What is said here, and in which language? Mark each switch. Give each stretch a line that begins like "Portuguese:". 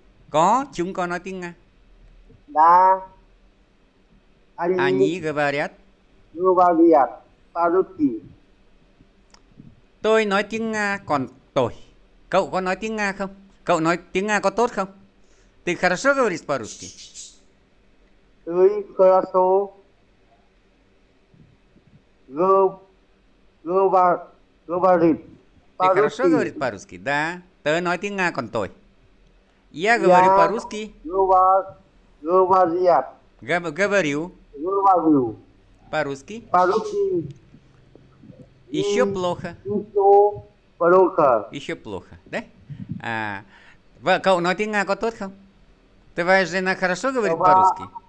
Vietnamese: Có, chúng có nói tiếng Nga.
Russian: Да, Они они говорят. говорят по-русски.
Vietnamese: Tôi nói tiếng Nga còn tồi. Cậu có nói tiếng Nga không? Cậu nói tiếng Nga có tốt không?
Russian: Ты хорошо говоришь по-русски?
Vietnamese: Tôi
Russian: хорошо Ты хорошо говоришь по-русски? Да. Ты
Vietnamese: nói tiếng Nga còn tồi.
Russian: Я говорю Я по-русски. говорю Говорю по-русски. по-русски. Еще плохо. По-русски. Еще плохо, да?
Vietnamese: À, vợ cậu nói tiếng Nga có tốt không?
Russian: Твоя жена хорошо говорит по-русски?